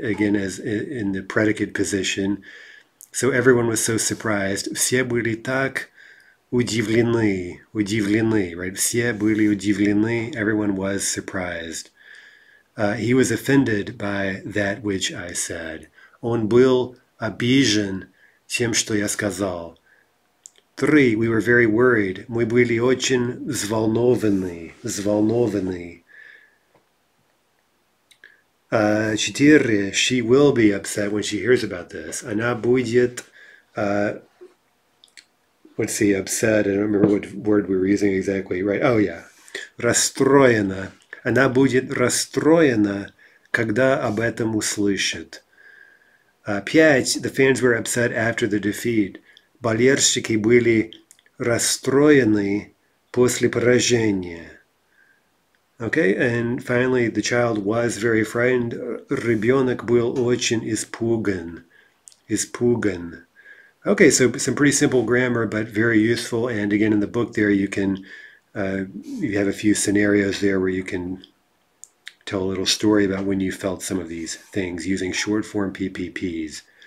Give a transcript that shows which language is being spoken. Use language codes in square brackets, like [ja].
[en] Again, as in the predicate position. So everyone was so surprised. [ru] Все были так удивлены, [en] right? [ru] Все были удивлены. [en] Everyone was surprised. He was offended by that which I said. [ru] Он был обижен тем, что я сказал. [en] Three, we were very worried. [ru] Мы были очень взволнованы. [en] She will be upset when she hears about this. [ru] Она будет, [en] let's see, upset. I don't remember what word we were using exactly. Right. Oh, yeah. [ru] Расстроена. Она будет расстроена, когда об этом услышит. Пять, [en] the fans were upset after the defeat. [ru] Болельщики были расстроены после поражения. [en] Okay, and finally, the child was very frightened. [ru] Ребенок был очень испуган. Испуган. [en] Okay, so some pretty simple grammar, but very useful. And again, in the book there, you have a few scenarios there where you can tell a little story about when you felt some of these things using short form PPPs.